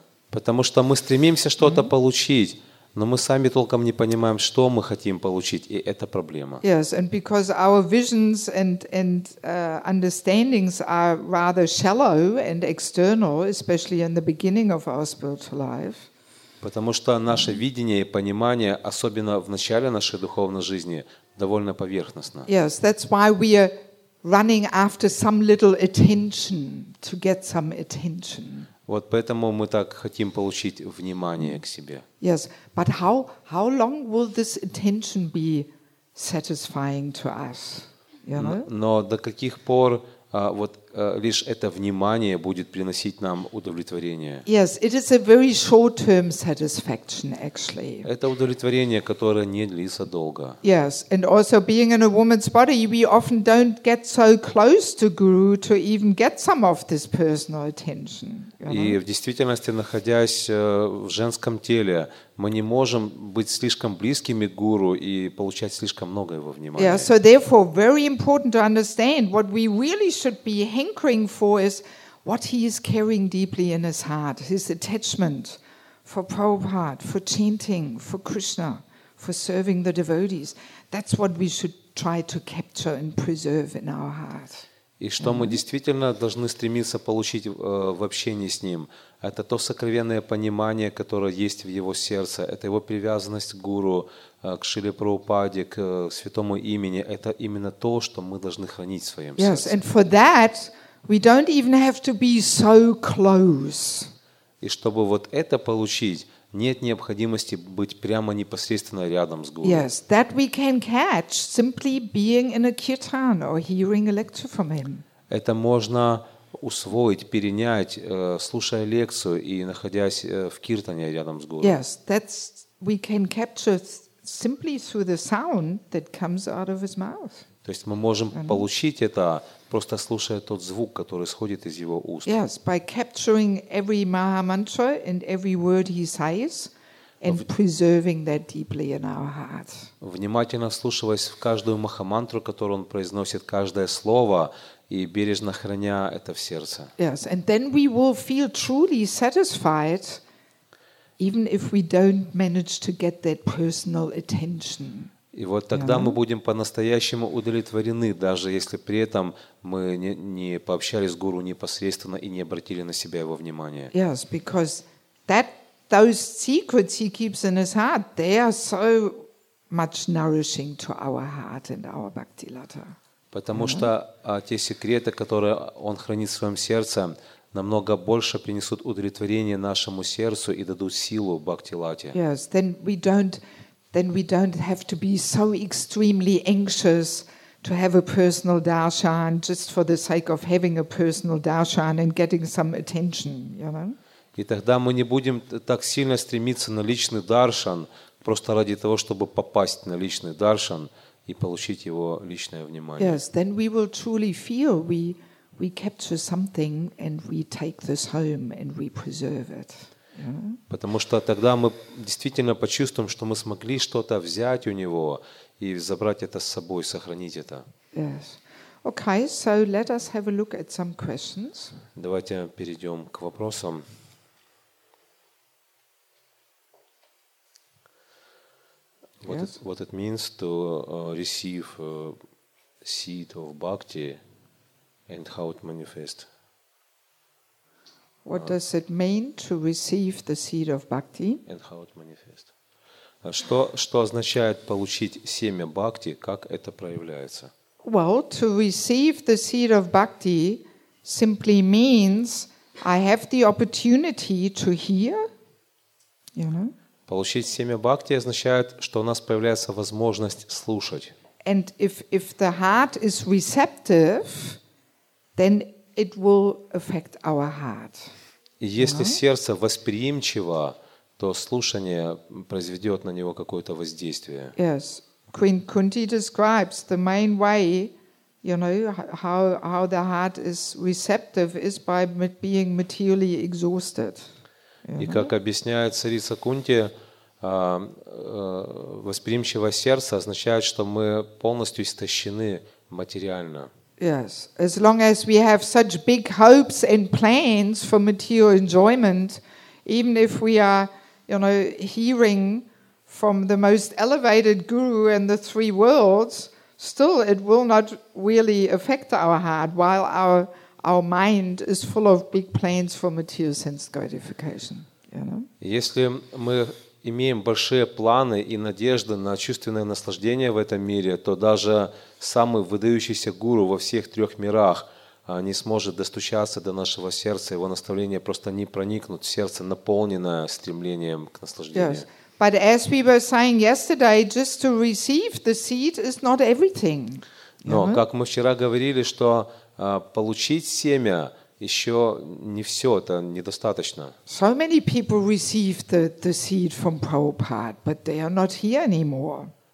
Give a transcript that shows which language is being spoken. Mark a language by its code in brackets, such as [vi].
[ru] Потому что мы стремимся что-то получить, но мы сами толком не понимаем, что мы хотим получить, и это проблема. [en] Yes, and because our visions and understandings are rather shallow and external, especially in the beginning of our spiritual life. [ru] Потому что наше видение и понимание, особенно в начале нашей духовной жизни, довольно поверхностно. [en] Yes, that's why we are running after some little attention, to get some attention. [ru] Вот поэтому мы так хотим получить внимание к себе. [en] Yes, but how long will this attention be satisfying to us? You know? [ru] Но до каких пор лишь это внимание будет приносить нам удовлетворение? [en] Yes, it is a very short-term satisfaction, actually. [ru] Это удовлетворение, которое не длится долго. [en] Yes, and also being in a woman's body, we often don't get so close to Guru to even get some of this personal attention. [ru] И в действительности, находясь в женском теле, мы не можем быть слишком близкими к Гуру и получать слишком много его внимания. [en] Yeah, so therefore very important to understand what we really should be hankering for is what he is carrying deeply in his heart, his attachment for Prabhupada, for chanting, for Krishna, for serving the devotees. That's what we should try to capture and preserve in our heart. [ru] И что мы действительно должны стремиться получить в общении с ним, это то сокровенное понимание, которое есть в его сердце, это его привязанность к Гуру, к Шриле Прабхупаде, к святому имени, это именно то, что мы должны хранить в своем сердце. [en] Yes, and for that we don't even have to be so close. [ru] И чтобы вот это получить, нет необходимости быть прямо непосредственно рядом с Гуру. [en] Yes, that we can catch simply being in a kirtan or hearing a lecture from him. [ru] Это можно усвоить, перенять, слушая лекцию и находясь в киртане рядом с Гуру. [en] Yes, that's we can capture simply through the sound that comes out of his mouth. [ru] То есть мы можем получить это просто слушая тот звук, который исходит из его уст. [en] Yes, by capturing every maha mantra and every word he says and preserving that deeply in our heart. [ru] Внимательно вслушиваясь в каждую махамантру, которую он произносит, каждое слово и бережно храня это в сердце. [en] Yes, and then we will feel truly satisfied even if we don't manage to get that personal attention. [ru] И вот тогда мы будем по-настоящему удовлетворены, даже если при этом мы не пообщались с гуру непосредственно и не обратили на себя его внимание. [en] Yes, because that those secrets he keeps in his heart, they are so much nourishing to our heart and our bhakti lata. [ru] Потому что те секреты, которые он хранит в своем сердце, намного больше принесут удовлетворение нашему сердцу и дадут силу бхакти лате. [en] Yes, then we don't have to be so extremely anxious to have a personal darshan just for the sake of having a personal darshan and getting some attention, you know? [ru] И тогда мы не будем так сильно стремиться на личный даршан просто ради того, чтобы попасть на личный даршан и получить его личное внимание. [en] Yes, then we will truly feel we capture something and we take this home and we preserve it. [ru] Потому что тогда мы действительно почувствуем, что мы смогли что-то взять у него и забрать это с собой, сохранить это. [en] Yes. Okay, so let us have a look at some questions. [ru] Давайте перейдем к вопросам. [en] Yes. What it means to receive seed of bhakti and how it manifests. What does it mean to receive the seed of bhakti? And how it manifests. [ru] Что означает получить семя бхакти? Как это проявляется? [en] Well, to receive the seed of bhakti simply means I have the opportunity to hear. You know? [ru] Получить семя бхакти означает, что у нас появляется возможность слушать. [en] And if the heart is receptive, then it will affect our heart. [ru] И если сердце восприимчиво, то слушание произведет на него какое-то воздействие. [en] Yes, Queen Kunti describes the main way, you know, how the heart is receptive is by being materially exhausted. [ru] И как объясняет царица Кунти, восприимчивое сердце означает, что мы полностью истощены материально. [en] Yes, as long as we have such big hopes and plans for material enjoyment, even if we are, you know, hearing from the most elevated guru in the three worlds, still it will not really affect our heart while our mind is full of big plans for material sense gratification. You know? [ru] Если мы имеем большие планы и надежды на чувственное наслаждение в этом мире, то даже самый выдающийся гуру во всех трех мирах не сможет достучаться до нашего сердца, его наставления просто не проникнут в сердце, наполненное стремлением к наслаждению. [en] Yes. But as we were saying yesterday, just to receive the seed is not everything. [ru] Но, как мы вчера говорили, что получить семя еще не все, это недостаточно. [en] So many people receive the seed from Prabhupada, but they are not here anymore.